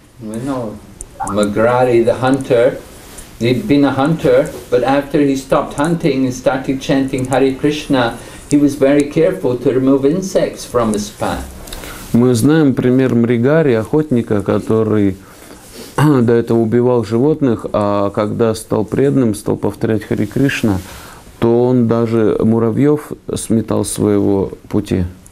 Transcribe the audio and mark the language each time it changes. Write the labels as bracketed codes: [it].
[en] We know Magrari, the hunter. He'd been a hunter, but after he stopped hunting and started chanting Hare Krishna, he was very careful to remove insects from his path. [ru] Мы знаем пример Мригари, охотника, который до этого убивал животных, а когда стал преданным, стал повторять Hare Krishna, то он даже муравьев сметал с своего пути.